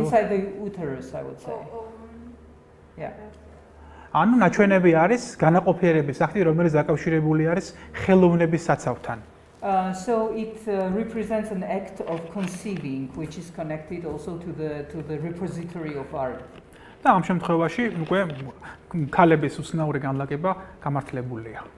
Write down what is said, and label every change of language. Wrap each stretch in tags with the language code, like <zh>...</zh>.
<en>inside the uterus I would say yeah</en> <ka>ანუ ნაჩვენები არის განაყოფიერების სახით რომელიც დაკავშირებული არის ხელოვნების საცავთან.</ka> <en>So it represents an act of conceiving which is connected also to the repository of art.</en> <ka>და ამ შემთხვევაში უკვე ქალების უცნაური განლაგება გამართლებულია.</ka>